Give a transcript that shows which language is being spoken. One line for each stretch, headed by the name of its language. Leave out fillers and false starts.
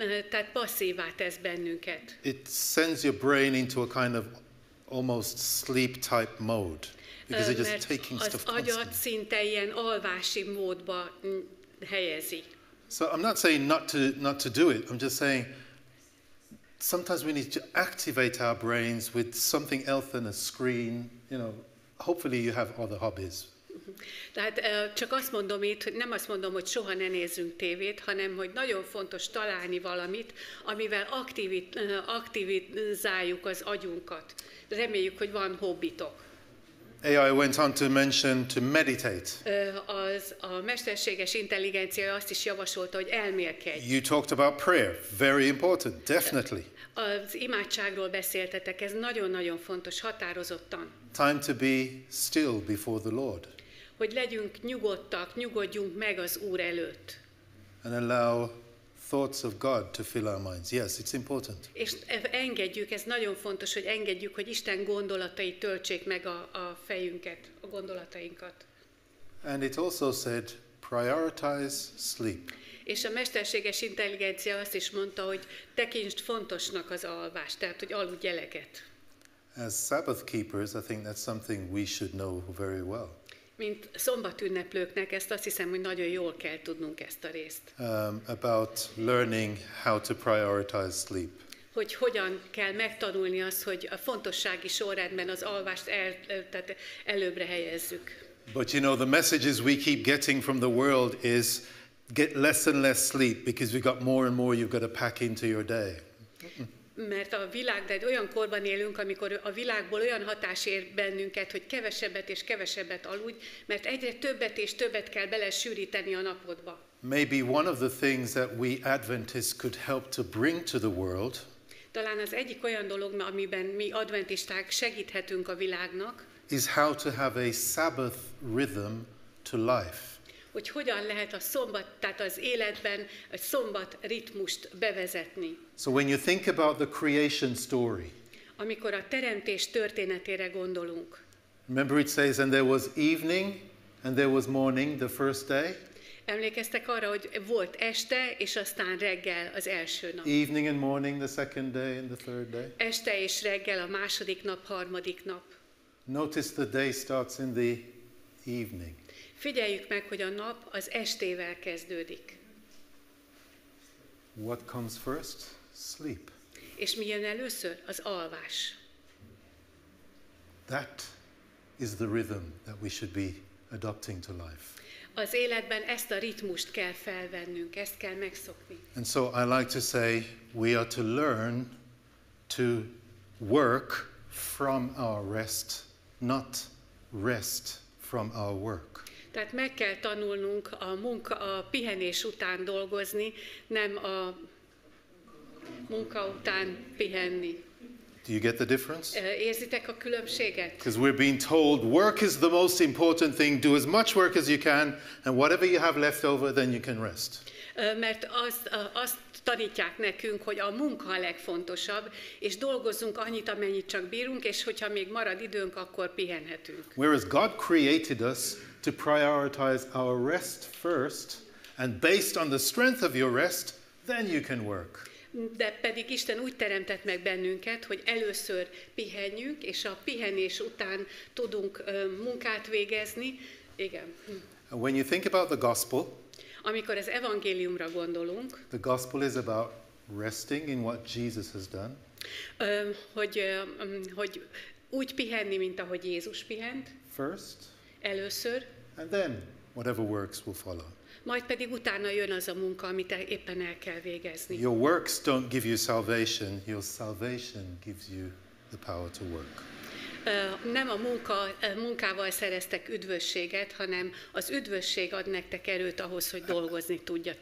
Hungarian: Tehát passzívá tesz bennünket.
English: It sends your brain into a kind of almost sleep type mode because it's just taking stuff constantly.
Hungarian: Az agyat szinte ilyen alvási módba helyezi.
English: So I'm not saying not to do it. I'm just saying sometimes we need to activate our brains with something else than a screen. You know, hopefully you have other hobbies.
Hungarian: Tehát csak azt mondom itt, hogy nem azt mondom, hogy soha ne nézzünk tévét, hanem hogy nagyon fontos találni valamit, amivel aktivizáljuk az agyunkat. Reméljük, hogy van hobbitok.
English: AI went on to mention to meditate.
Hungarian: A mesterséges intelligencia azt is javasolta, hogy elmélkedj.
English: You talked about prayer. Very important. Definitely.
Hungarian: Az imádságról beszéltetek, ez nagyon-nagyon fontos, határozottan.
English: Time to be still before the Lord.
Hungarian: Hogy legyünk nyugodtak, nyugodjunk meg az Úr előtt.
English: And allow thoughts of God to fill our minds. Yes, it's important.
Hungarian: És engedjük, ez nagyon fontos, hogy engedjük, hogy Isten gondolatai töltsék meg a fejünket, a gondolatainkat.
English: And it also said, prioritize sleep.
Hungarian: És a mesterséges intelligencia azt is mondta, hogy tekintsd fontosnak az alvást, tehát hogy aludj eleget.
English: As Sabbath keepers, I think that's something we should know very well.
Hungarian: Mint szombatünneplőknek, ezt azt hiszem, hogy nagyon jól kell tudnunk ezt a részt.
English: About learning how to prioritize sleep.
Hungarian: Hogy hogyan kell megtanulni azt, hogy a fontossági sorrendben az alvást tehát előbbre helyezzük.
English: But you know, the messages we keep getting from the world is get less and less sleep because we've got more and more you've got to pack into your day.
Hungarian: Mert a világ, de egy olyan korban élünk, amikor a világból olyan hatás ér bennünket, hogy kevesebbet és kevesebbet aludj, mert egyre többet és többet kell belesűríteni a napodba.
English: Maybe one of the things that we Adventists could help to bring to the world.
Hungarian: Talán az egyik olyan dolog, amiben mi adventisták segíthetünk a világnak.
English: Is how to have a Sabbath rhythm to life.
Hungarian: Hogy hogyan lehet a szombat, tehát az életben a szombat ritmust bevezetni.
English: So when you think about the creation story.
Hungarian: Amikor a teremtés történetére gondolunk.
English: Remember it says and there was evening and there was morning the first day.
Hungarian: Emlékeztek arra, hogy volt este és aztán reggel az első nap.
English: Evening and morning the second day and the third day.
Hungarian: Este és reggel a második nap, harmadik nap.
English: Notice the day starts in the evening.
Hungarian: Figyeljük meg, hogy a nap az estével kezdődik.
English: What comes first? Sleep.
Hungarian: És mi jön először? Az alvás.
English: That is the rhythm that we should be adopting to life.
Hungarian: Az életben ezt a ritmust kell felvennünk, ezt kell megszokni.
English: And so I like to say we are to learn to work from our rest, not rest from our work.
Hungarian: Tehát meg kell tanulnunk a munka, a pihenés után dolgozni, nem a munka után pihenni.
English: Do you get the difference?
Hungarian: Érzitek a különbséget?
English: Because we're being told work is the most important thing. Do as much work as you can, and whatever you have left over, then you can rest.
Hungarian: Mert azt tanítják nekünk, hogy a munka a legfontosabb, és dolgozzunk annyit, amennyit csak bírunk, és hogyha még marad időnk, akkor pihenhetünk.
English: Whereas God created us to prioritize our rest first, and based on the strength of your rest, then you can work.
Hungarian: De pedig Isten úgy teremtett meg bennünket, hogy először pihenjünk, és a pihenés után tudunk munkát végezni. Igen.
English: When you think about the gospel,
Hungarian: amikor az evangéliumra gondolunk,
English: the gospel is about resting in what Jesus has done,
Hungarian: hogy úgy pihenni, mint ahogy Jézus pihent,
English: first,
Hungarian: először,
English: and then whatever works will follow.
Hungarian: Majd pedig utána jön az a munka, amit éppen el kell végezni.
English: Your works don't give you salvation, your salvation gives you the power to work.
Hungarian: Nem a munkával szereztek üdvösséget, hanem az üdvösség ad nektek erőt ahhoz, hogy dolgozni tudjatok.